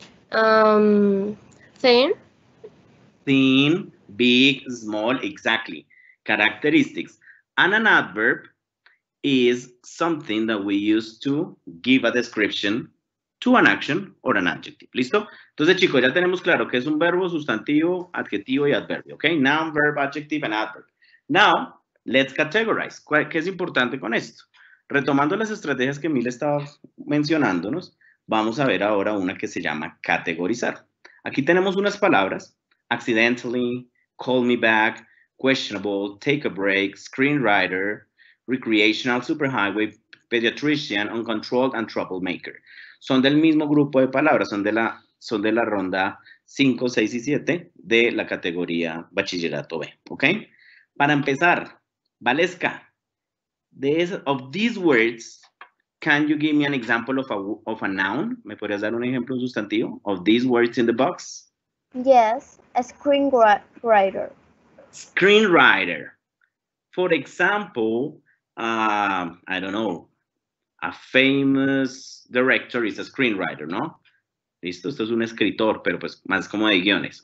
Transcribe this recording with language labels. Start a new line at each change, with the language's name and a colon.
English: Thin. Thin, big, small, exactly. Characteristics. And an adverb is something that we use to give a description to an action or an adjective.
Spanish: ¿Listo? Entonces, chicos, ya tenemos claro que es un verbo, sustantivo, adjetivo y adverbio.
English: Okay? Noun, verb, adjective, and adverb. Now, let's categorize.
Spanish: ¿Qué es importante con esto? Retomando las estrategias que Mil estaba mencionándonos, vamos a ver ahora una que se llama categorizar. Aquí tenemos unas palabras.
English: Accidentally, call me back, questionable, take a break, screenwriter, recreational, superhighway, pediatrician, uncontrolled, and troublemaker.
Spanish: Son del mismo grupo de palabras, son de la ronda 5, 6 y 7 de la categoría bachillerato B.
English: ¿Ok?
Spanish: Para empezar,
English: Valeska, of these words, can you give me an example of a noun?
Spanish: ¿Me podrías dar un ejemplo sustantivo?
English: Of these words in the box? Yes, a screenwriter. Screenwriter. For example, I don't know, a famous director is a screenwriter, ¿no?
Spanish: Listo, esto es un escritor, pero pues más como de guiones.